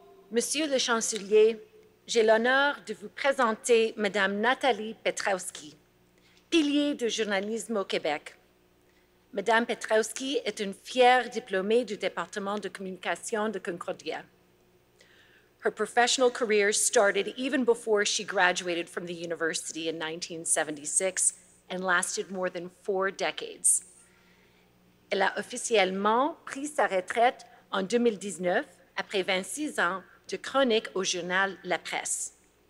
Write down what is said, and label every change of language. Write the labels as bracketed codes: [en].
[fr] Monsieur le chancelier, j'ai l'honneur de vous présenter Madame Nathalie Petrowski, pilier du journalisme au Québec. Madame Petrowski est une fière diplômée du département de communication de Concordia. [en] Her professional career started even before she graduated from the university in 1976 and lasted more than 4 decades. [fr] Elle a officiellement pris sa retraite en 2019 après 26 ans de chronique au journal La Presse.